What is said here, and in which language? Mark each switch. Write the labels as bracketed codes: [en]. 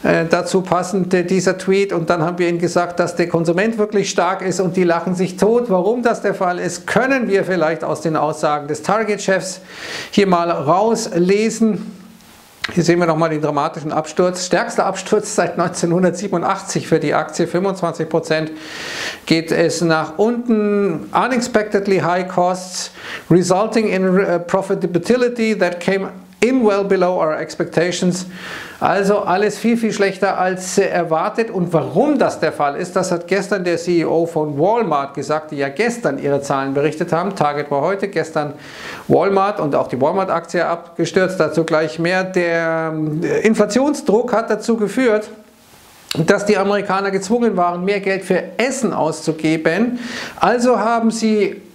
[de] Dazu passend dieser Tweet. Und dann haben wir ihnen gesagt, dass der Konsument wirklich stark ist, und die lachen sich tot. Warum das der Fall ist, können wir vielleicht aus den Aussagen des Target-Chefs hier mal rauslesen. Hier sehen wir nochmal den dramatischen Absturz. Stärkster Absturz seit 1987 für die Aktie. 25% geht es nach unten. [en] Unexpectedly high costs resulting in profitability that came in well below our expectations. [de] Also alles viel, viel schlechter als erwartet. Und warum das der Fall ist, das hat gestern der CEO von Walmart gesagt, die ja gestern ihre Zahlen berichtet haben. Target war heute, gestern Walmart, und auch die Walmart-Aktie abgestürzt. Dazu gleich mehr. Der Inflationsdruck hat dazu geführt, dass die Amerikaner gezwungen waren, mehr Geld für Essen auszugeben. Also haben sie